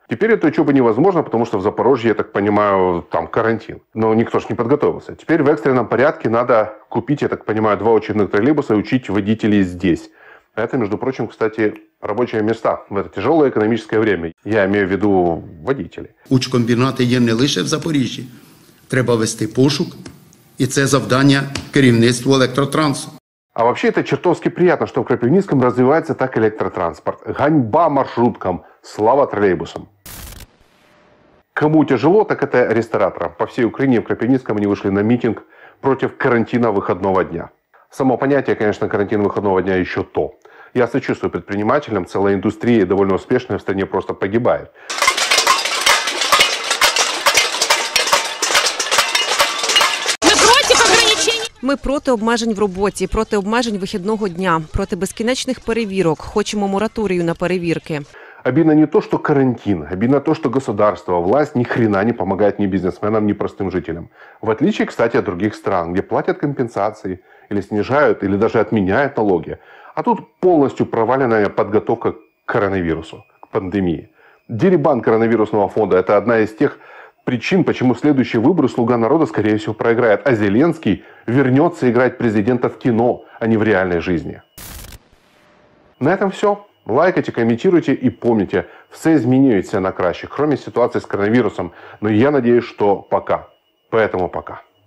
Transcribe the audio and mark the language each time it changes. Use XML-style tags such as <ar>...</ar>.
<ru>Теперь эта учеба невозможна, потому что в Запорожье, я так понимаю, там карантин. Но никто же не подготовился. Теперь в экстренном порядке надо купить, я так понимаю, два учебных троллейбуса и учить водителей здесь. Это, между прочим, кстати, рабочие места в это тяжелое экономическое время. Я имею в виду водителей.</ru> <uk>Учкомбінати є не лише в Запоріжжі. Треба вести пошук. І це завдання керівництва електротрансу.</uk> <ru>А вообще это чертовски приятно, что в Кропивницком развивается так электротранспорт.</ru> <uk>Ганьба маршруткам.</uk> <ru>Слава троллейбусам. Кому тяжело, так это рестораторам. По всей Украине в Кропивницком они вышли на митинг против карантина выходного дня. Само понятие, конечно, карантин выходного дня еще то. Я сочувствую предпринимателям, целая индустрия, довольно успешная, в стране просто погибает.</ru> <uk>Ми проти обмежень в роботі, проти обмежень вихідного дня, проти безкінечних перевірок. Хочемо мораторію на перевірки. Обідно не то, що карантин, обідно то, що государство, власть ні хрена не допомагає ні бізнесменам, ні простим жителям.</uk> <ru>В отличие, кстати, от других стран,</ru> <uk>де платять компенсації,</uk> <ru>или снижають, или даже отменяють налоги.</ru> <uk>А тут повністю провалена підготовка к коронавірусу, к пандемії. Дерибан коронавірусного фонду – це одна із тих причин,</uk> <ru>почему следующие выборы «Слуга народа», скорее всего, проиграет. А Зеленский вернется играть президента в кино, а не в реальной жизни. На этом все. Лайкайте, комментируйте и помните, все изменяются на краще, кроме ситуации с коронавирусом. Но я надеюсь, что пока. Поэтому пока.</ru>